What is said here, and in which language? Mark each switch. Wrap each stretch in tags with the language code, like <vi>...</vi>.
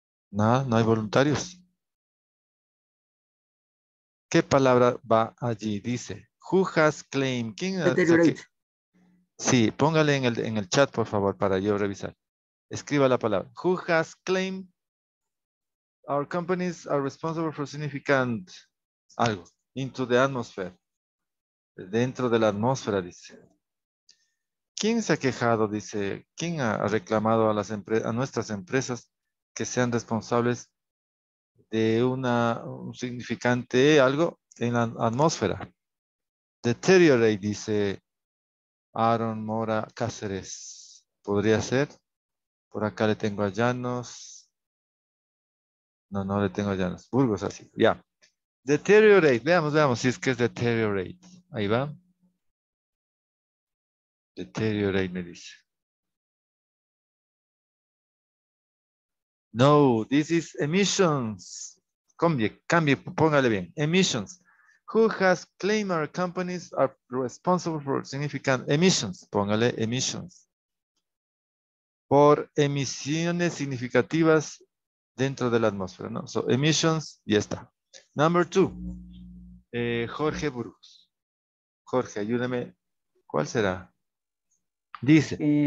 <es>Nada, no hay voluntarios. ¿Qué palabra va allí? Dice,</es> <en>who has claimed?</en> <es>¿Quién ha dicho? Sí, póngale en el chat, por favor, para yo revisar. Escriba la palabra.</es> <en>Who has claimed our companies are responsible for significant algo into the atmosphere?</en> <es>Dentro de la atmósfera, dice. ¿Quién se ha quejado? Dice, ¿quién ha reclamado a nuestras empresas que sean responsables de un significante algo en la atmósfera? Deteriorate, dice Aaron Mora Cáceres. ¿Podría ser? Por acá le tengo a Llanos. No le tengo a Llanos. Burgos, así. Ya. Yeah. Deteriorate. Veamos si es que es deteriorate. Ahí va. Deteriorate, me dice.</es> <en>No, this is emissions.</en> <es>cambie, cambie, póngale bien.</es> <en>Emissions. Who has claimed our companies are responsible for significant emissions?</en> <es>Póngale emissions. Por emisiones significativas dentro de la atmósfera, ¿no? So, emissions, y está.</es> <en>Number two.</en> <es>Jorge Burgos. Jorge, ayúdame. ¿Cuál será? Dice.</es>